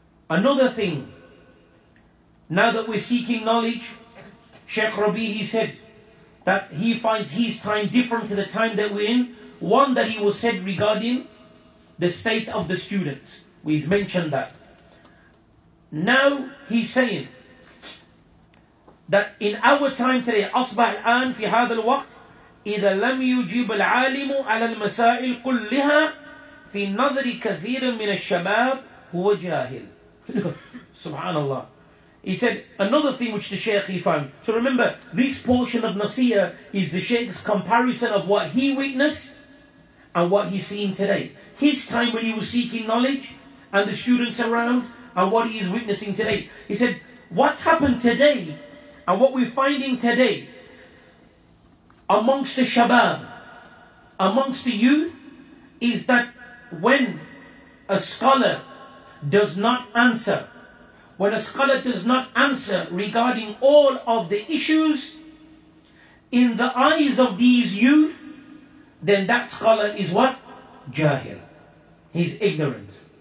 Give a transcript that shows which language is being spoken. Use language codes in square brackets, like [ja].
[en] Another thing, now that we're seeking knowledge, Sheikh Rabi, he said that he finds his time different to the time that we're in. One that he was said regarding the state of the students. We've mentioned that. Now he's saying that in our time today, [ar] أصبح الآن في هذا الوقت إذا لم يجيب العالم على المسائل كلها في نظر كثير من الشباب هو جاهل. Subhanallah. [en] He said another thing which the Shaykh he found. So remember, this portion of Nasiha is the Shaykh's comparison of what he witnessed and what he's seeing today. His time when he was seeking knowledge and the students around and what he is witnessing today. He said, what's happened today and what we're finding today amongst the Shabab, amongst the youth, is that when a scholar does not answer, when a scholar does not answer regarding all of the issues, in the eyes of these youth, then that scholar is what? Jahil. He's ignorant.